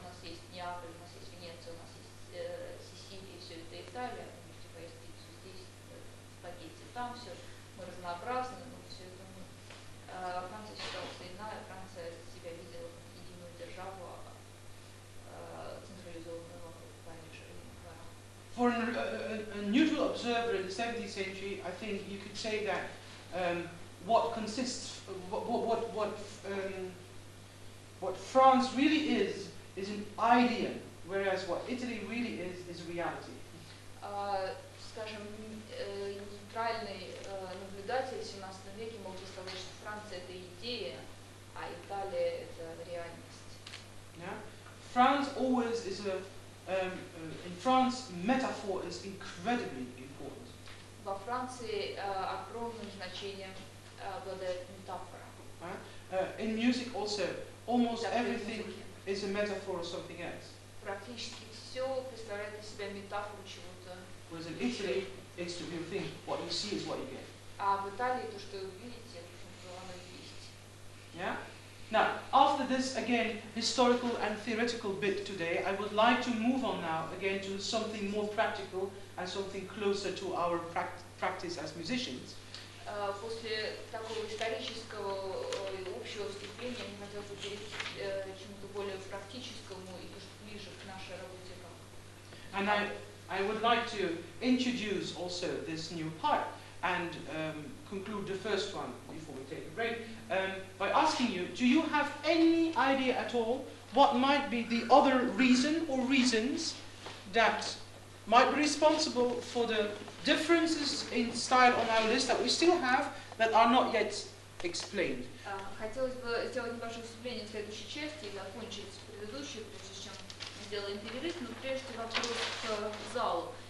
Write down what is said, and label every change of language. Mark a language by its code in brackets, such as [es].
[ru] У нас есть Неаполь, у нас есть Венеция, у нас есть Сицилия, все это Италия. Вы можете поесть пиццу здесь, спагетти там, все. Мы разнообразны, но все это мы Франция считала, что иная Франция себя видела как единую державу, централизованную в Париже. [en] For a neutral observer in the 17th century, I think you could say that what consists, what France really is an idea, whereas what Italy really is a reality. [ru] Скажем, нейтральный наблюдатель 17 веке мог бы сказать, что Франция это идея, а Италия это реальность. [en] Yeah, France always is a in France, metaphor is incredibly important. [ru] Во Франции огромное значение обладает метафора. [en] In music also, almost everything is a metaphor of something else. [ru] Практически все представляет из себя метафору чего-то. [en] Whereas in Italy, it's the real thing. What you see is what you get. [ru] А в Италии то, что вы видите, то оно и есть. [en] Yeah. Now, after this, again, historical and theoretical bit today, I would like to move on now, again, to something more practical and something closer to our practice as musicians. [ru] После такого исторического и общего вступления, я хотел бы перейти к чему-то более практическому и ближе к нашей работе. [en] And I would like to introduce also this new part and conclude the first one before we take a break by asking you, do you have any idea at all what might be the other reason or reasons that might be responsible for the differences in style on our list that we still have that are not yet explained? [ru] Хотелось бы сделать небольшое вступление в следующей части и закончить предыдущую, прежде чем мы сделаем перерыв, но прежде вопрос к залу.